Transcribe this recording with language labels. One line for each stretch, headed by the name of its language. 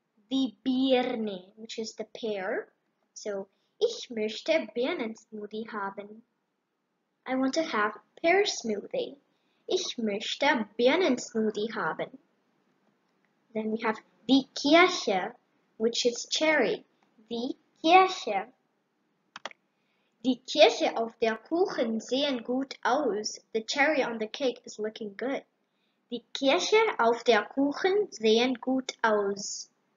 German: Die Birne,
English: which is the pear.
German: So, ich möchte Birnen-Smoothie haben.
English: I want to have pear-Smoothie.
German: Ich möchte Birnen-Smoothie haben.
English: Then we have die Kirsche, which is cherry.
German: Die Kirsche. Die Kirsche auf der Kuchen sehen gut aus.
English: The cherry on the cake is looking good.
German: Die Kirsche auf der Kuchen sehen gut aus.